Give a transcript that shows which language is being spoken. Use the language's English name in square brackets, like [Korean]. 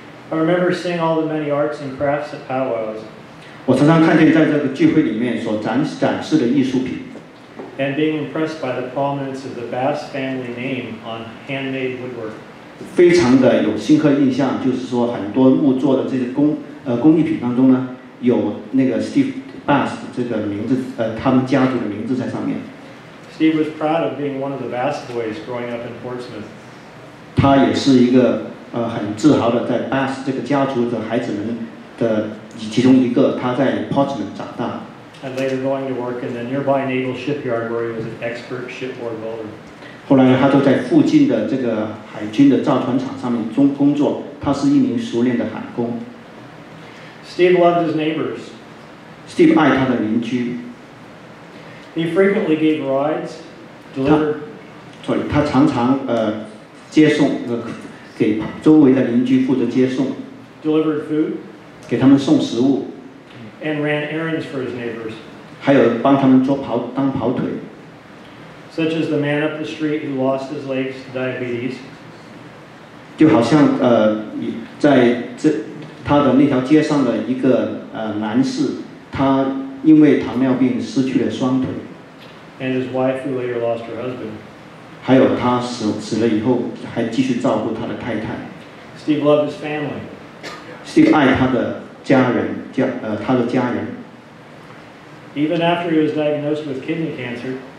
[English] I remember seeing all the many arts and crafts at powwows. [Chinese] 我常常看见在这个聚会里面所展示的艺术品。 [English] And being impressed by the prominence of the Bass family name on handmade woodwork. [Chinese] 非常的有深刻印象，就是说很多木做的这些工艺品当中呢，有那个 Steve Bass 这个名字，他们家族的名字在上面。 [English] Steve was proud of being one of the Bass boys growing up in Portsmouth. [Chinese] 他也是一个很自豪的在 Bass 这个家族的孩子们的其中一个，他在 Portsmouth 长大。 [English] And later going to work in the nearby naval shipyard where he was an expert shipboard builder. [Chinese] 后来他就在附近的这个海军的造船厂上面工作，他是一名熟练的焊工。 [English] Steve loved his neighbors. [Chinese] Steve 爱他的邻居。 [English] He frequently gave rides, delivered. [Chinese] 他常常接送给周围的邻居负责接送。 [English] Delivered food. [Chinese] 给他们送食物。 [English] And ran errands for his neighbors. [Chinese] 还有帮他们当跑腿。 [English] Such as the man up the street who lost his legs to diabetes. [Chinese] 就好像在这。他的那条街上的一个男士，他因为糖尿病失去了双腿。 [English] And his wife who later lost her husband. [Chinese] 还有他死了以后还继续照顾他的太太。 [English] Steve loved his family. [Chinese] Steve 爱他的家人，他的家人。 [English] Even after he was diagnosed with kidney cancer.